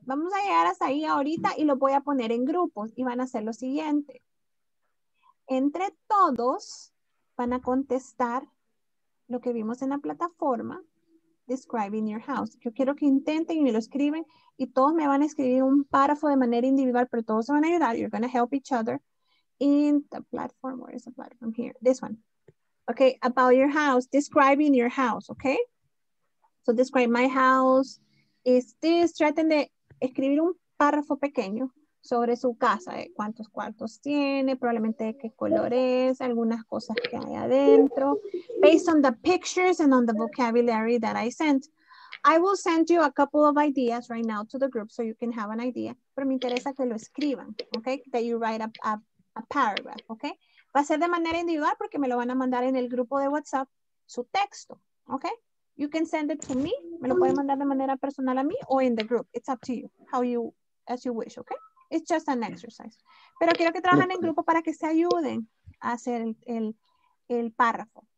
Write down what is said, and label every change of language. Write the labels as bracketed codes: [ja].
[es] Vamos a llegar hasta ahí ahorita y lo voy a poner en grupos y van a hacer lo siguiente. Entre todos van a contestar lo que vimos en la plataforma. [en] Describing your house. [es] Yo quiero que intenten y me lo escriben y todos me van a escribir un párrafo de manera individual, pero todos se van a ayudar. [en] You're going to help each other in the platform. Where is the platform? Here. This one. Okay. About your house. Describing your house. Okay. So describe my house. Is this, [es] traten de escribir un párrafo pequeño sobre su casa. ¿Eh? ¿Cuántos cuartos tiene? Probablemente de qué color es, algunas cosas que hay adentro. [en] Based on the pictures and on the vocabulary that I sent. I will send you a couple of ideas right now to the group so you can have an idea. [es] Pero me interesa que lo escriban, okay? [en] That you write a paragraph, okay? [es] Va a ser de manera individual porque me lo van a mandar en el grupo de WhatsApp su texto, okay? [en] You can send it to me. [es] Me lo pueden mandar de manera personal a mí o [en] in the group. It's up to you, how you, as you wish, okay? It's just an exercise. [es] Pero quiero que trabajen en grupo para que se ayuden a hacer el párrafo.